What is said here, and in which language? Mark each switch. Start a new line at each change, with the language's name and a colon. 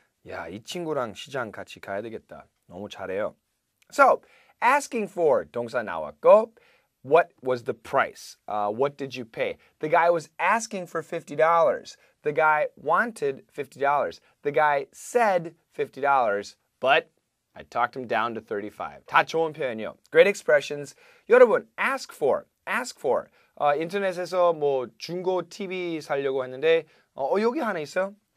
Korean: 야, 이 친구랑 시장 같이 가야 되겠다. 너무 잘해요.
English: So, asking for
Korean: 동사 나왔고,
English: what was the price? What did you pay? The guy was asking for $50. The guy wanted $50. The guy said $50, but I talked him down to 35.
Korean: 다 좋은 표현이요.
English: Great expressions.
Korean: 여러분,
English: ask for. Ask for.
Korean: 인터넷에서 뭐 중고 TV 사려고 했는데 여기 하나 있어.